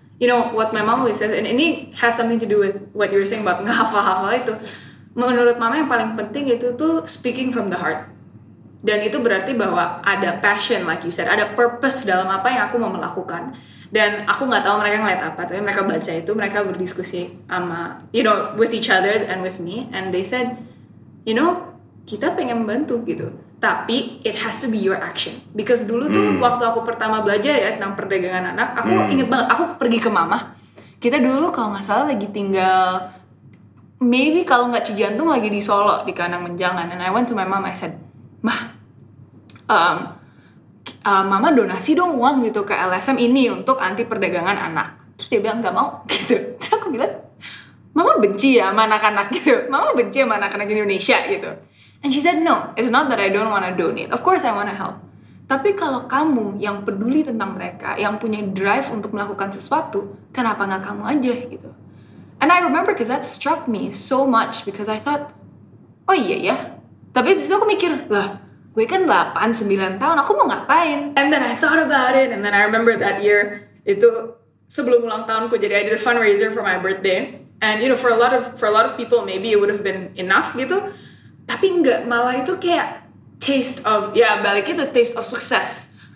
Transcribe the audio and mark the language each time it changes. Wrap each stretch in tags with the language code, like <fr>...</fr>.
<en>You know what my mom always says, and ini has something to do with what you were saying about ngehafal-hafal itu.</en> <id>Menurut mama yang paling penting itu tuh speaking from the heart. Dan itu berarti bahwa ada passion, like you said, ada purpose dalam apa yang aku mau melakukan. Dan aku gak tahu mereka ngeliat apa, tapi mereka baca itu, mereka berdiskusi sama, you know, with each other and with me.</id> <en>And they said, you know, kita pengen membantu gitu. Tapi it has to be your action.</en> <id>Because dulu tuh waktu aku pertama belajar ya tentang perdagangan anak, aku inget banget, aku pergi ke mama. Kita dulu kalau gak salah lagi tinggal, maybe kalau gak Cijantung lagi di Solo, di Kandang Menjangan. And I went to my mom, I said, Mah, mama donasi dong uang gitu ke LSM ini untuk anti perdagangan anak. Terus dia bilang, gak mau gitu. Terus aku bilang, mama benci ya sama anak-anak gitu. Mama benci sama anak-anak Indonesia gitu.</id> <en>And she said, no, it's not that I don't want to donate. Of course I want to help.</en> <id>Tapi kalau kamu yang peduli tentang mereka, yang punya drive untuk melakukan sesuatu, kenapa gak kamu aja gitu.</id> <en>And I remember because that struck me so much because I thought, oh iya ya.</en> <id>Tapi abis itu aku mikir, lah gue kan 8-9 tahun, aku mau ngapain?</id> <en>And then I thought about it, and then I remember that year, itu sebelum ulang tahunku, jadi I did a fundraiser for my birthday. And you know, for a lot of people, maybe it would have been enough gitu.</en> <id>Tapi enggak, malah itu kayak taste of, ya yeah, balik itu taste of success.</id>